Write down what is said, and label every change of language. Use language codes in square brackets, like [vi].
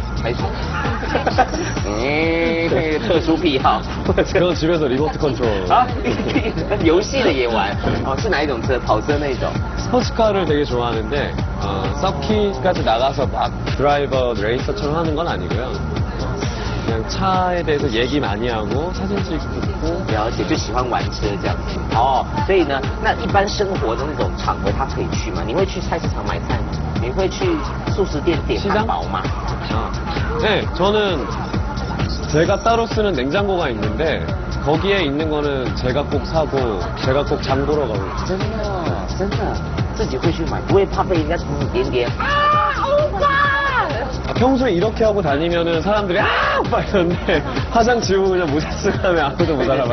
[zh] 没错，嗯，特殊癖好。然后 [ko] 집에서리모트컨트롤。 [zh] 啊，游戏的也玩。哦，是哪一种车？跑车那种。 [ko] 스포츠카를 되게 좋아하는데, 서킷까지 나가서 막 드라이버 레이서처럼 하는 건 아니고요. 그냥 차에 대해서 얘기 많이 하고 사진 찍고. [zh] 了解，就喜欢玩车这样子。哦，所以呢，那一般生活的那种场合，他可以去吗？你会去菜市场买菜吗？你会去素食店点汉堡吗？ [ko] 네, 저는 제가 따로 쓰는 냉장고가 있는데 거기에 있는 거는 제가 꼭 사고 제가 꼭 장보러 가고 [zh] 真的真的自己会去买不会怕被人家指指点点啊欧巴 [ko] 평소에 이렇게 하고 다니면은 사람들이 아 오빠 이러는데 화장 지우고 그냥 모자 쓰면 아무도 못